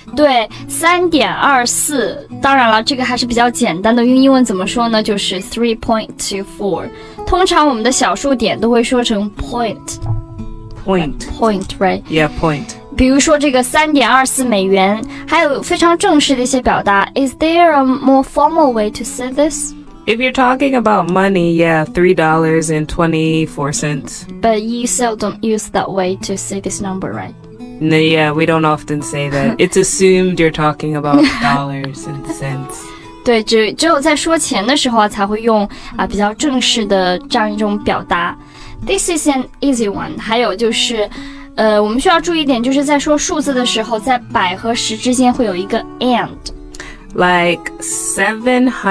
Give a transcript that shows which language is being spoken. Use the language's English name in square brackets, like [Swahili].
[Chinese] 对 ,3.24. 当然了这个还是比较简单的，用英文怎么说呢，就是 3.24. 通常我们的小数点都会说成 point. [English] Point. Point, right? Yeah, point. [Chinese] 比如说这个3.24美元，还有非常正式的一些表达。 [English] Is there a more formal way to say this? If you're talking about money, yeah, $3.24. But you seldom use that way to say this number, right? No, yeah, we don't often say that. It's assumed you're talking about dollars and cents. [Chinese] 对，只有在说钱的时候才会用比较正式的这样一种表达。 [English] This is an easy one. [Chinese] 还有就是我们需要注意一点，就是在说数字的时候，在百和十之间会有一个 and. [English] Like 728.